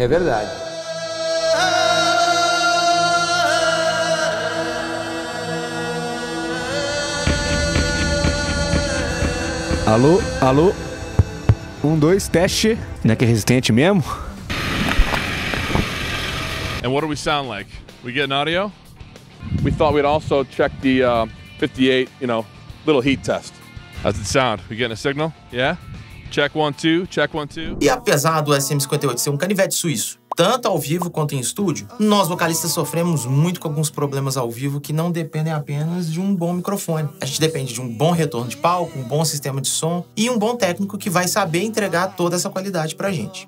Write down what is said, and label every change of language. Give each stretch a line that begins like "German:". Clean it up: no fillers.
Portuguese: É verdade. Alô, alô. Um, dois, teste. Não é que é resistente mesmo?
English: And what do we sound like? We get an audio? We thought we'd also check the 58, you know, little heat test. How's it sound? We getting a signal? Yeah? Check one, two, check one, two.
Portuguese: E apesar do SM58 ser um canivete suíço, tanto ao vivo quanto em estúdio, nós vocalistas sofremos muito com alguns problemas ao vivo que não dependem apenas de um bom microfone. A gente depende de um bom retorno de palco, um bom sistema de som e um bom técnico que vai saber entregar toda essa qualidade pra gente.